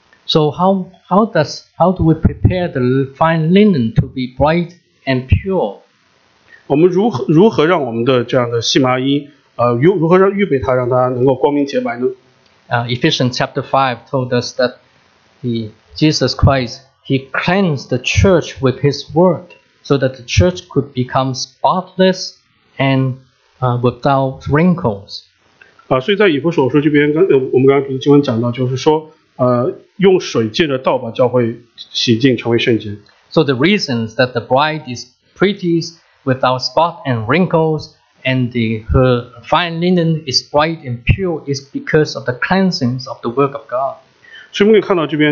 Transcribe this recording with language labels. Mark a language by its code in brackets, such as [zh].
[en] So how do we prepare the fine linen to be bright and pure? [zh] 我们如何让我们的这样的细麻衣，如何预备它，让它能够光明洁白呢？ [en] Ephesians chapter 5 told us that Jesus Christ, he cleansed the church with his word, so that the church could become spotless and without wrinkles. [zh] 所以在以弗所书这边，我们刚刚读的经文讲到，就是说。用水借着道把教会洗净成为圣洁。 [en] So the reasons that the bride is pretty without spot and wrinkles and her fine linen is bright and pure is because of the cleansings of the work of God.